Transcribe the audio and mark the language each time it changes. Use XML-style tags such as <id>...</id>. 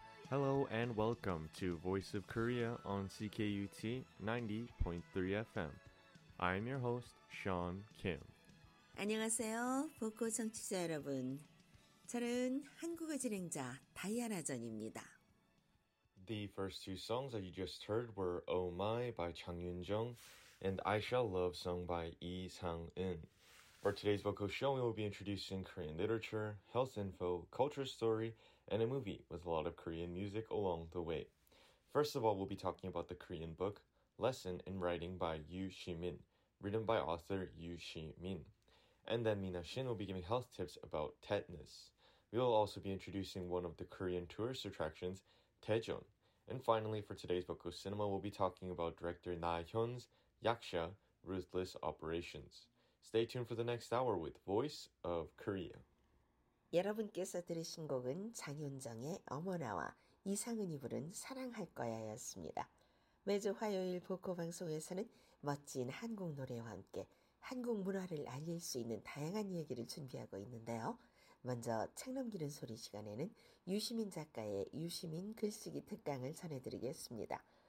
<en>Hello and welcome to Voice of Korea on CKUT 90.3 FM. I'm your host, Sean Kim.</en> <ko>안녕하세요, 보코 청취자 여러분. 저는 한국어 진행자 다이아나 전입니다.</ko> <en>The first two songs that you just heard were Oh My by Chang Yun-jung and I Shall Love sung by Lee Sang-eun. For today's vocal show, we will be introducing Korean literature, health info, culture story, and a movie with a lot of Korean music along the way. First of all, we'll be talking about the Korean book, Lesson in Writing by Yoo Si-min, written by author Yoo Si-min. And then Mina Shin will be giving health tips about tetanus. We will also be introducing one of the Korean tourist attractions, Daejeon. And finally, for today's vocal cinema, we'll be talking about director Na Hyun's Yaksha, Ruthless Operations. Stay tuned for the next hour with Voice of Korea.</en> <ko>여러분께서 들으신 곡은 장윤정의 어머나와 이상은이 부른 사랑할 거야였습니다. 매주 화요일 보코 방송에서는 멋진 한국 노래와 함께 한국 문화를 알릴 수 있는 다양한 이야기를 준비하고 있는데요. 먼저 책 넘기는 소리 시간에는 유시민 작가의 유시민 글쓰기 특강을 전해드리겠습니다.</ko>